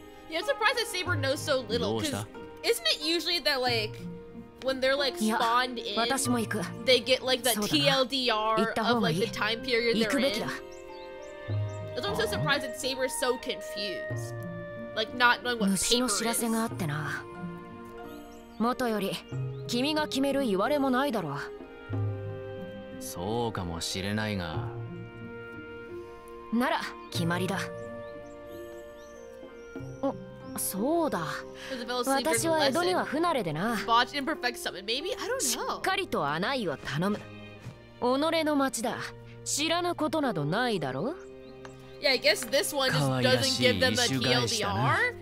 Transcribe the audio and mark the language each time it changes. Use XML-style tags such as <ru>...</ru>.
<en>Yeah, I'm surprised that Saber knows so little. Cause isn't it usually that like when they're like spawned in, they get like the TLDR of like the time period they're in? That's why I'm so surprised that Saber is so confused. Like not knowing what paper is.</en> <ja>虫の知らせがあってな。元より君が決める言われもないだろう。そうかもしれないが。なら決まりだ。お、そうだ。私は江戸には不慣れでな。しっかりと案内を頼む。己の町だ。知らぬことなどないだろう。</ja> <en>Yeah, I guess this one just doesn't give them the TLDR.</en>